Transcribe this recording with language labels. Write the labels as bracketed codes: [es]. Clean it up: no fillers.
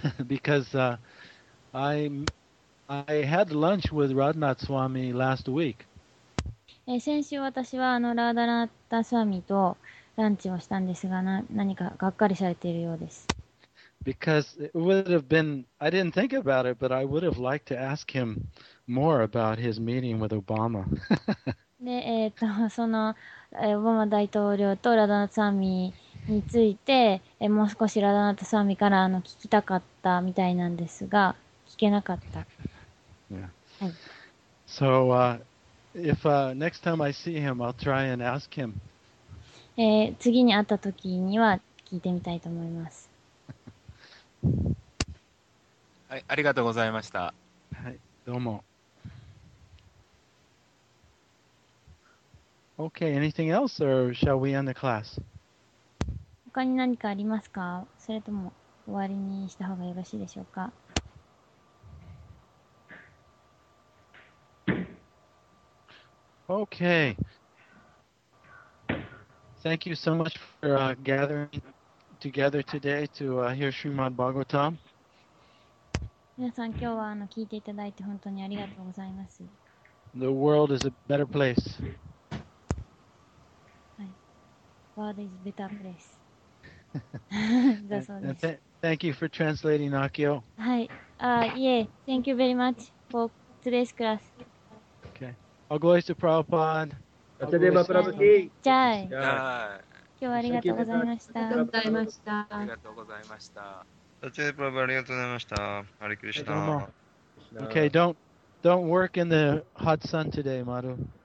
[en] Because, I had lunch with Radhanath Swami last week. [ja] 先週私はラーダナタスワミとランチをしたんですが、何かがっかりされているようです。 [en] Because it would have been, I didn't think about it, but I would have liked to ask him more about his meeting with Obama. [ja] で、その、オバマ大統領とラダナタスワミについて、もう少しラダナタスワミから聞きたかったみたいなんですが、聞けなかった。 [en] Yeah. [ja] はい。 [en] So, if next time I see him, I'll try and ask him. [ja] 次に会った時には聞いてみたいと思います。はい、ありがとうございました。はい、どうも。 [en] Okay, anything else or shall we end the class? [ja] 他に何かありますか？それとも終わりにした方がよろしいでしょうか？ [en] Okay. Thank you so much for gathering together today to hear Srimad Bhagavatam. [ja] 皆さん、今日は聞いていただいて本当にありがとうございます。 [en] The world is a better place. [ja] はい。 [en] World is a better place. [ja] だそうです。 [en] Thank you for translating, Akio. はい。Yeah. Thank you very much for [ja] 失礼します。 [en] Okay. All glories to Prabhupada. [ja] あたりばプラブティ。じゃあ、今日はありがとうございました。ありがとうございました。ありがとうございました。あたりばプラブありがとうございました。ハリクリシュナ。 [en] Okay, don't work in the hot sun today, Maru.